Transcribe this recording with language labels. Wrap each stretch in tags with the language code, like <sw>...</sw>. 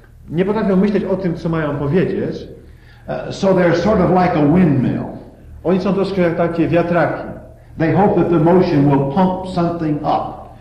<pl>Nie potrafią myśleć o tym, co mają powiedzieć.</pl> <en>So they're sort of like a windmill.</en> <pl>Oni są troszkę jak takie wiatraki.</pl> <en>They hope that the motion will pump something up.</en>